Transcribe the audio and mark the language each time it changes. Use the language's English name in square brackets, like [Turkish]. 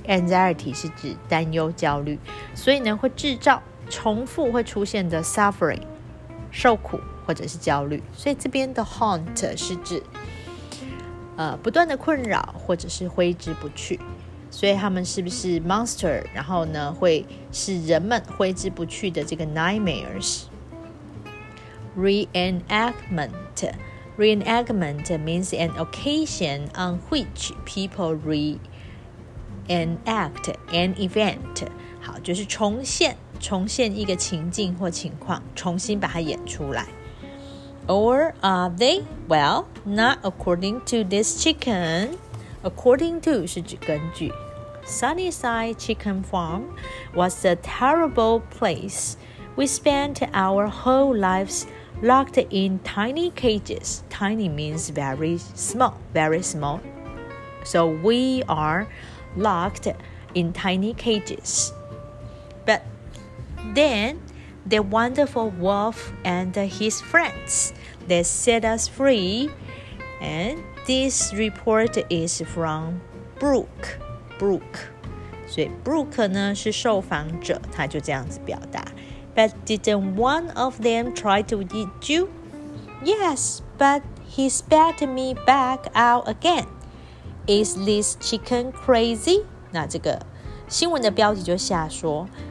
[Chinese] Anxiety 是指担忧焦虑，所以呢会制造重复会出现的 suffering 受苦或者是焦虑，所以这边的 haunt 是指不断的困扰或者是挥之不去，所以他们是不是 monster， 然后呢会使人们挥之不去的这个 nightmares。 [English] Re-enactment Re-enactment means an occasion on which people re-enact an event。 [Chinese] 好，就是重现一个情境或情况，重新把它演出来。 [English] Or are they? Well, not according to this chicken. According to [Chinese] 是指根据。 [English] Sunnyside Chicken Farm was a terrible place. We spent our whole lives locked in tiny cages. Tiny means very small, very small. So we are locked in tiny cages. ButThen, the wonderful wolf and his friends, they set us free. And this report is from Brooke. Brooke. [Chinese] 所以 Brooke 呢是受访者，他就这样子表达。 [English] But didn't one of them try to eat you? Yes, but he spat me back out again. Is this chicken crazy? [Chinese] 那这个新闻的标题就瞎说。